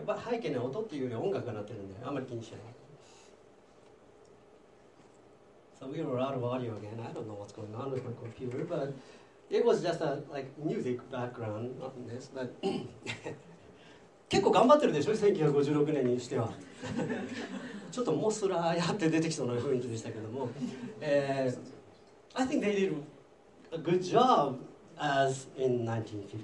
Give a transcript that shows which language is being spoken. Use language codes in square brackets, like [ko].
[ja] 背景の音っていうより音楽が鳴ってるんで、あまり気にしない。 [en] So we were out of audio again. I don't know what's going on with my computer, but it was just a like music background on this. [ja] But 結構頑張ってるでしょ、1956年にしては。ちょっとモスラーやって出てきそうな雰囲気でしたけども。 [en] I think they did a good job as in 1956, right?